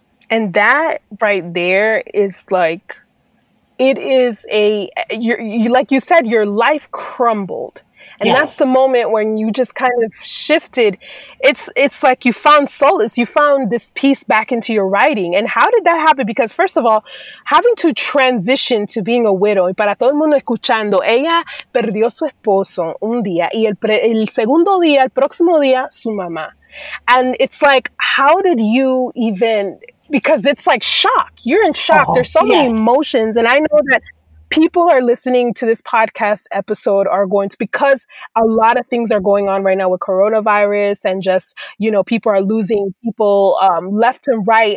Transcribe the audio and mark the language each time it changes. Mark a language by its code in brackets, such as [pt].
[en] And that right there is like, it is a, like you said, your life crumbled. And yes. That's the moment when you just kind of shifted. It's like you found solace. You found this piece back into your writing. And how did that happen? Because first of all, having to transition to being a widow, [es] y para todo el mundo escuchando, ella perdió su esposo un día, y el próximo día, su mamá. [en] And it's like, how did you even, because it's like shock. You're in shock. Oh, there's so many emotions. And I know that people are listening to this podcast episode are going to, because a lot of things are going on right now with coronavirus and just, you know, people are losing people left and right.